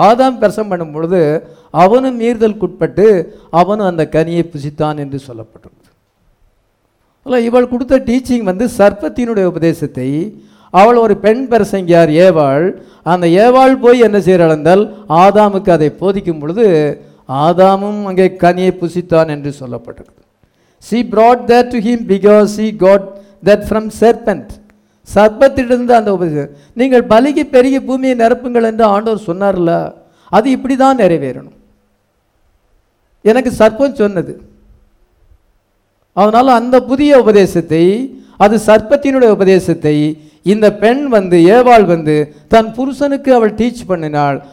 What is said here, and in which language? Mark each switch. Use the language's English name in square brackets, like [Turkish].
[Tamil] ஆதாம் பிரசங்கம் பண்ணும்பொழுது அவனும் மீறுதலுக்கு உட்பட்டு அவனும் அந்த கனியை புசித்தான் என்று சொல்லப்பட்டுள்ளது. அல்ல, இவள் கொடுத்த டீச்சிங் வந்து சர்ப்பத்தினுடைய உபதேசத்தை, அவள் ஒரு பெண் பிரசங்கியார் ஏவாள். அந்த ஏவாள் போய் என்ன செய்கிறாள்? ஆதாமுக்கு அதை போதிக்கும் பொழுது ஆதாமும் அங்கே கனியை புசித்தான் என்று சொல்லப்பட்டிருக்கு. [English] She brought that to him because he got that from serpent. [Tamil] சர்ப்பத்திலிருந்து அந்த உபதேசம், நீங்கள் பலிக்கு பெருகி பூமியை நிரப்புங்கள் என்று ஆண்டவர் சொன்னார்ல, அது இப்படி தான் நிறைவேறணும். எனக்கு சர்ப்பம் சொன்னது, அதனால் அந்த புதிய உபதேசத்தை, அது சர்ப்பத்தினுடைய உபதேசத்தை இந்த பெண் வந்து, ஏவாள் வந்து தன் புருஷனுக்கு அவள் டீச் பண்ணினாள்.